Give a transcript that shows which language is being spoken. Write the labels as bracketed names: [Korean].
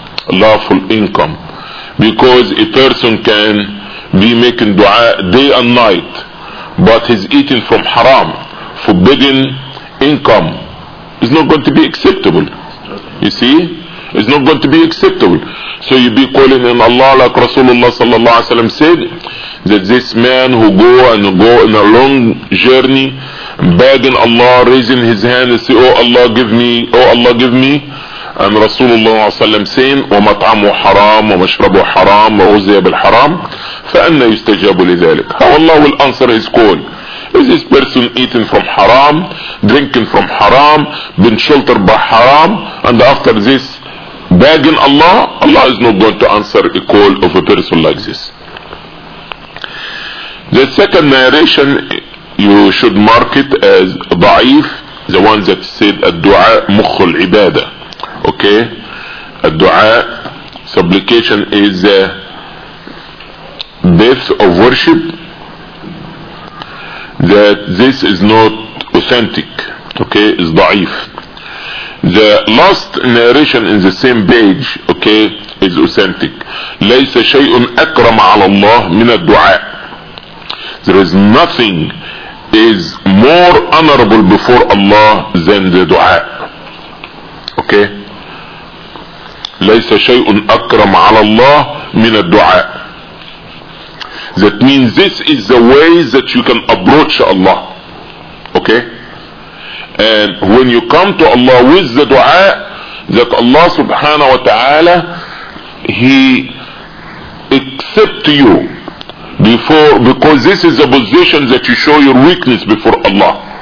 [English] Lawful income. Because a person can be making dua day and night, but he's eating from haram, forbidden income, is not going to be acceptable. You see? It's not going to be acceptable. So you be calling in Allah, like Rasulullah sallallahu alaihi wasallam said, that this man who go on a long journey, begging Allah, raising his hand and say, oh Allah, give me, oh Allah, give me. And Rasulullah sallallahu alaihi wasallam saying, [Arabic] وَمَطْعَمُ حَرَامُ وَمَشْرَبُ حَرَامُ وَعُزِيَ بِالْحَرَامُ فَأَنَّ يُسْتَجَابُ لِذَلِكَ. [English] How Allah will answer his call? Is this person eating from haram, drinking from haram, been sheltered by haram, and after this begging Allah, Allah is not going to answer a call of a person like this. The second narration, you should mark it as ضعيف, the one that said [Arabic] الدُّعَاء مُخُّ الْعِبَادَةِ. [English] Okay, a dua, supplication, is the depth of worship, that this is not authentic. Okay, is da'if. The last narration in the same page, okay, is authentic. [Arabic] لَيْسَ شَيْءٌ أَكْرَمَ عَلَى اللَّهِ مِنَ الدُّعَاءِ. [English] There is nothing is more honorable before Allah than the dua. Okay. [Arabic] ليس شيء أكرم على الله من الدعاء. [English] That means this is the way that you can approach Allah. Okay? And when you come to Allah with the dua, that Allah subhanahu wa ta'ala, he accept you before, because this is the position that you show your weakness before Allah.